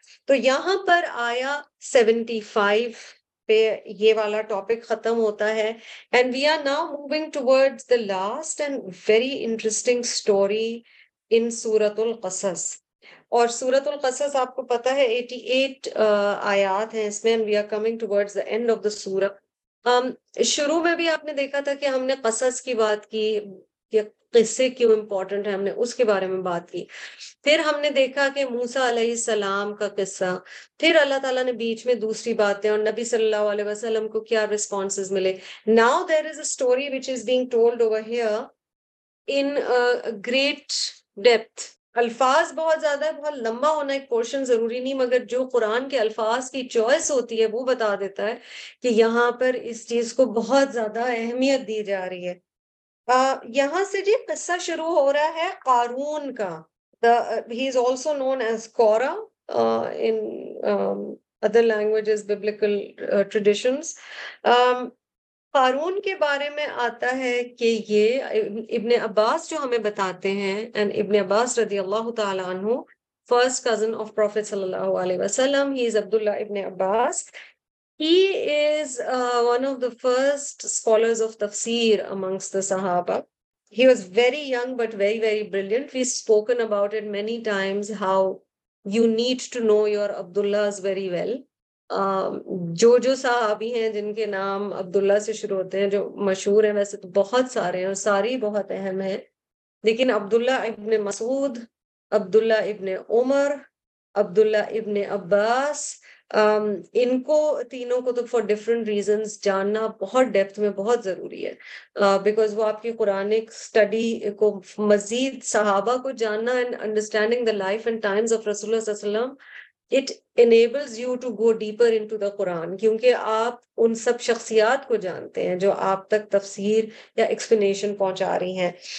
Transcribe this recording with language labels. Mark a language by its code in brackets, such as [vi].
[ur] تو یہاں پر آیا 75 پہ یہ والا ٹاپک ختم ہوتا ہے, [en] And we are now moving towards the last end very interesting story in سورۃ القصص. [ur] اور سورۃ القصص آپ کو پتا ہے 88 آیات ہیں اس میں. [en] We are coming towards the end of the سورۃ. [ur] شروع میں بھی آپ نے دیکھا تھا کہ ہم نے قصص کی بات کی, قصے کیوں امپورٹنٹ ہے, ہم نے اس کے بارے میں بات کی. پھر ہم نے دیکھا کہ موسیٰ علیہ السلام کا قصہ, پھر اللہ تعالیٰ نے بیچ میں دوسری باتیں اور نبی صلی اللہ علیہ وسلم کو کیا ریسپانسز ملے. [en] Now there is a story which is being told over here in great depth. [ur] الفاظ بہت زیادہ ہے, بہت لمبا ہونا ایک پورشن ضروری نہیں, مگر جو قرآن کے الفاظ کی چوائس ہوتی ہے وہ بتا دیتا ہے کہ یہاں پر اس چیز کو بہت زیادہ اہمیت دی جا رہی ہے. یہاں سے جی قصہ شروع ہو رہا ہے قارون کا. [en] He is also known as Korah in other languages, biblical traditions. [ur] قارون کے بارے میں آتا ہے کہ یہ ابن عباس جو ہمیں بتاتے ہیں, اینڈ ابن عباس رضی اللہ تعالیٰ عنہ [en] first cousin of prophet [ur] صلی اللہ علیہ وسلم, [en] He is عبداللہ ابن عباس. He is one of the first scholars of Tafseer amongst the Sahaba. He was very young but very, very brilliant. We've spoken about it many times, how you need to know your Abdullahs very well. [ur] جو جو صحابی ہیں جن کے نام عبداللہ سے شروع ہوتے ہیں, جو مشہور ہیں, ویسے تو بہت سارے ہیں اور سارے بہت اہم ہیں, لیکن عبداللہ ابن مسعود, عبداللہ ابن عمر, عبداللہ ابن عباس, ان کو تینوں کو تو [en] for different reasons [ur] جاننا بہت ڈیپتھ میں بہت ضروری ہے, بیکاز وہ آپ کی قرآن اسٹڈی کو مزید, صحابہ کو جاننا [en] and understanding the life and times of [ur] رسول اللہ صلی اللہ علیہ وسلم, [en] it enables you to go deeper into the قرآن, [ur] کیونکہ آپ ان سب شخصیات کو جانتے ہیں جو آپ تک تفسیر یا ایکسپلینیشن پہنچا رہی ہیں.